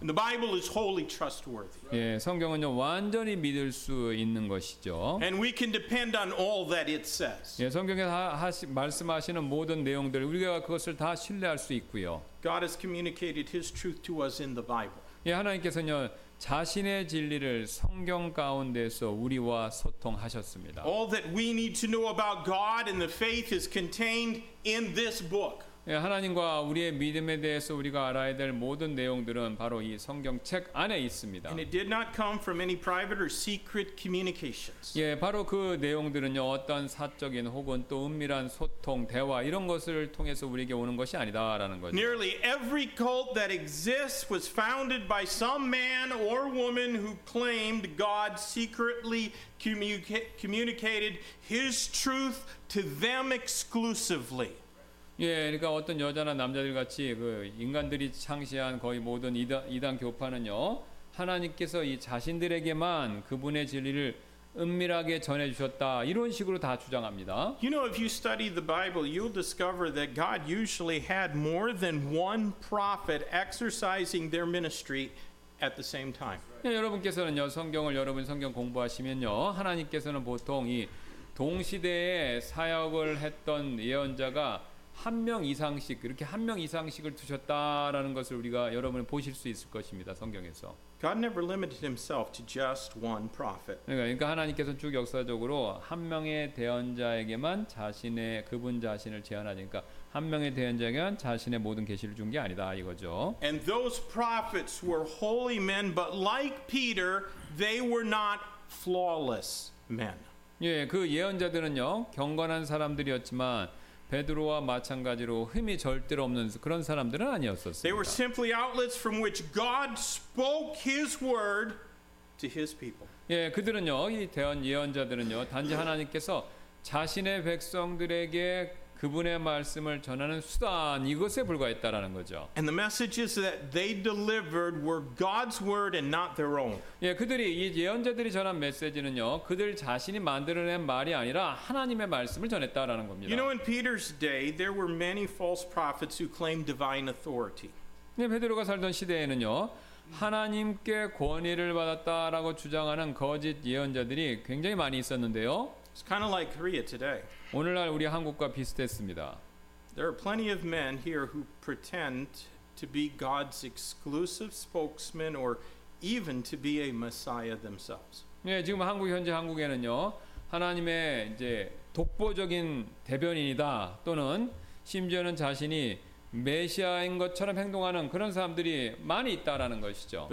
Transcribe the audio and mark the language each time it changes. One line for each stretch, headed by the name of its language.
English: The Bible is wholly trustworthy.
Korean: 예, 성경은요 완전히 믿을 수 있는 것이죠.
English: And we can depend on all that it says.
Korean: 예, 성경에 말씀하시는 모든 내용들 우리가 그것을 다 신뢰할 수 있고요.
English: God has communicated His truth to us in the Bible.
Korean: 예, 하나님께서는요 자신의 진리를 성경 가운데서 우리와 소통하셨습니다.
English: All that we need to know about God and the faith is contained in this book.
Korean: 예, 하나님과 우리의 믿음에 대해서 우리가 알아야 될 모든 내용들은 바로 이 성경책 안에 있습니다.
English: And it did not come from any private or secret communications.
Korean: 예, 바로 그 내용들은요 어떤 사적인 혹은 또 은밀한 소통 대화 이런 것을 통해서 우리에게 오는 것이 아니다라는 거죠.
English: Nearly every cult that exists was founded by some man or woman who claimed God secretly communicated His truth to them exclusively.
Korean: 예, 그러니까 어떤 여자나 남자들 같이 그 인간들이 창시한 거의 모든 이단 교파는요 하나님께서 이 자신들에게만 그분의 진리를 은밀하게 전해 주셨다 이런 식으로 다 주장합니다.
English: You know, if you study the Bible, you'll discover that God usually had more than one prophet exercising their ministry at the same time.
Korean: 예, 여러분께서는요 성경을 여러분 성경 공부하시면요 하나님께서는 보통 이 동시대에 사역을 했던 예언자가 한 명 이상씩 이렇게 한 명 이상씩을 두셨다라는 것을 우리가 여러분 보실 수 있을 것입니다. 성경에서.
English: God never limited himself to just one prophet.
Korean: 그러니까 하나님께서 쭉 역사적으로 한 명의 대언자에게만 자신의 그분 자신을 제안하니까 한 명의 대언자에게만 자신의 모든 계시를 준 게 아니다 이거죠.
English: And those prophets were holy men, but like Peter, they were not flawless men.
Korean: 예, 그 예언자들은요. 경건한 사람들이었지만 베드로와 마찬가지로 흠이 절대로 없는 그런 사람들은 아니었었습니다.
English: They were simply outlets from which God spoke His word to His people.
Korean: 예, 그들은요, 이 대언 예언자들은요, 단지 하나님께서 자신의 백성들에게 그분의 말씀을 전하는 수단 이것에 불과했다라는 거죠.
English: And the messages that they delivered were God's word and not their own.
Korean: 예, 그들이 이 예언자들이 전한 메시지는요, 그들 자신이 만들어낸 말이 아니라 하나님의 말씀을 전했다라는 겁니다.
English: You know, in Peter's day, there were many false prophets who claimed divine authority.
Korean: 예, 베드로가 살던 시대에는요, 하나님께 권위를 받았다라고 주장하는 거짓 예언자들이 굉장히 많이 있었는데요.
English: It's kind of like Korea today.
Korean: 오늘날 우리 한국과 비슷했습니다.
English: There are plenty of men here who pretend to be God's exclusive spokesman or even to be a Messiah themselves.
Korean: 예, 지금 한국 현재 한국에는요. 하나님의 이제 독보적인 대변인이다 또는 심지어는 자신이 메시아인 것처럼 행동하는 그런 사람들이 많이 있다라는 것이죠.